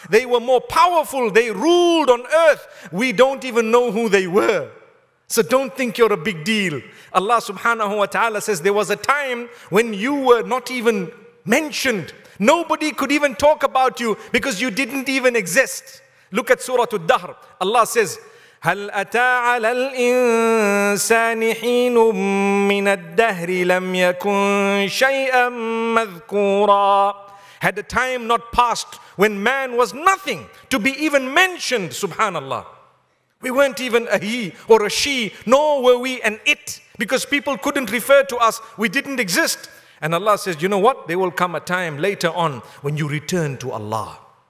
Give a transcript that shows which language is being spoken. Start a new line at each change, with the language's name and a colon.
English: They were more powerful. They ruled on earth. We don't even know who they were. So don't think you're a big deal. Allah subhanahu wa ta'ala says, there was a time when you were not even mentioned. Nobody could even talk about you, because you didn't even exist. Look at Surah Al-Dahr. Allah says,
Arabic: هل أتى على الإنسان حين من الدهر لم يكن شيئا مذكورا.
English: Had the time not passed when man was nothing to be even mentioned, subhanallah. We weren't even a he or a she, nor were we an it, because people couldn't refer to us. We didn't exist. And Allah says, you know what? There will come a time later on when you return to Allah.